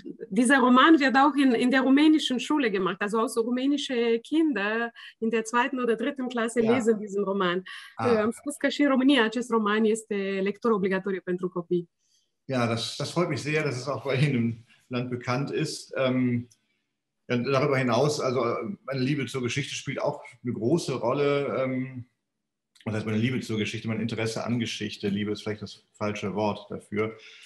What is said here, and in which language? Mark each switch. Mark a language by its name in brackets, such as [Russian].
[German] Dieser Roman wird auch in der rumänischen Schule gemacht, also auch so rumänische Kinder in der zweiten oder dritten Klasse lesen diesen Roman. [Romanian] Am spus că și în România acest roman este lectură obligatorie pentru copii. [German] Ja, das freut mich sehr, dass es auch bei Ihnen im Land bekannt ist. Darüber hinaus, also meine Liebe zur Geschichte spielt auch eine große Rolle. Das heißt, meine Liebe zur Geschichte, mein Interesse an Geschichte, Liebe ist vielleicht das falsche Wort dafür.